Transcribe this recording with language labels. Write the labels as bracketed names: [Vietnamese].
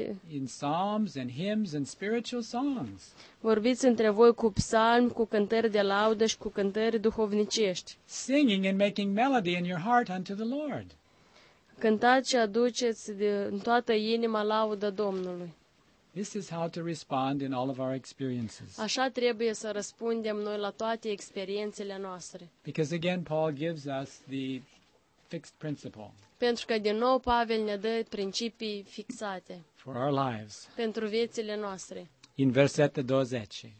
[English] In psalms and hymns and spiritual songs. [Romanian] Vorbiți între voi cu psalmi, cu cântări de laudă și cu cântări duhovnicești. [English] Singing and making melody in your heart unto the Lord. [Romanian] Cântați și aduceți în toată inima laudă Domnului. [English] This is how to respond in all of our experiences. [Romanian] Așa trebuie să răspundem noi la toate experiențele noastre. [English] Because again Paul gives us the fixed principle. [Romanian] Pentru că din nou Pavel ne dă principii fixate. [English] For our lives. [Romanian] Pentru viețile noastre. In versetul 20.